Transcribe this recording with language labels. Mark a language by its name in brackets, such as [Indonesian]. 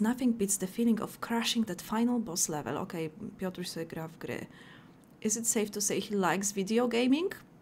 [English] Nothing beats the feeling of crushing that final boss level. [Polish] Okej, Piotruś sobie gra w gry. [English] Is it safe to say he likes video gaming?